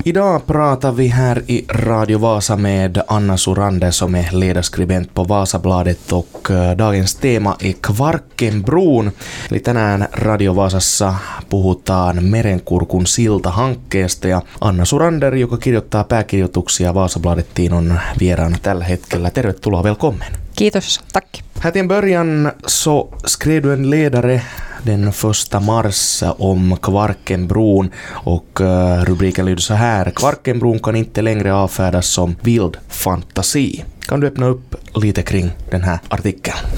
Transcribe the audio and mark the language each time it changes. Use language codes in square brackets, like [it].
[sv] Idag pratar vi här i Radio Vasa med Anna Surande som är ledarskribent på Vasabladet och dagens tema är Kvarkenbron. [fi] Eli tänään Radio Vasassa puhutaan Merenkurkun silta-hankkeesta ja Anna Surander, joka kirjoittaa pääkirjoituksia Vasabladettiin, on vieraana tällä hetkellä. Tervetuloa, [sv] välkommen. [fi] Kiitos, [sv] tack. Här till en början så skrev du en ledare den 1 mars om Kvarkenbron och rubriken lyder så här: Kvarkenbron kan inte längre avfärdas som vild fantasi. Kan du öppna upp lite kring den här artikeln?